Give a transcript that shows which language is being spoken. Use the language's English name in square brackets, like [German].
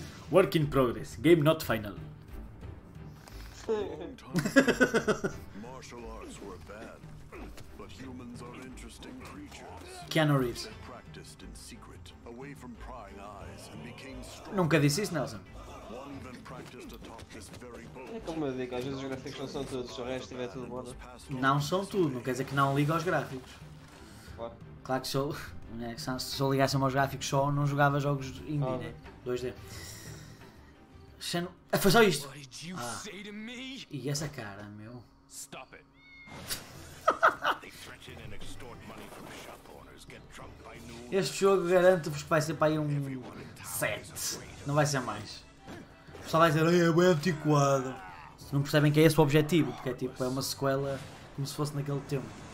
[English] Work in progress. Game not final. for a long time. Martial arts were bad, but humans are interesting creatures. Keanu Reeves. They practiced in secret, away from prying eyes, and became strong. [Portuguese] Nunca disse isso, Nelson. É como eu digo, às vezes os gráficos não são todos, se o resto estiver tudo bom. Não são tudo, não quer dizer que não liga aos gráficos. Claro. Claro que sou. Né? Se eu ligasse aos gráficos só, não jogava jogos indie, claro. Né? 2D. Ah, foi só isto. Ah. E essa cara, meu. [English] Stop it. They threaten and extort money from shop owners, get drunk by noon. [Portuguese] Este jogo garanto-vos que vai ser para aí um 7. Não vai ser mais. O pessoal vai dizer, é bem antiquado. Não percebem que é esse o objetivo, porque é tipo, é uma sequela como se fosse naquele tempo.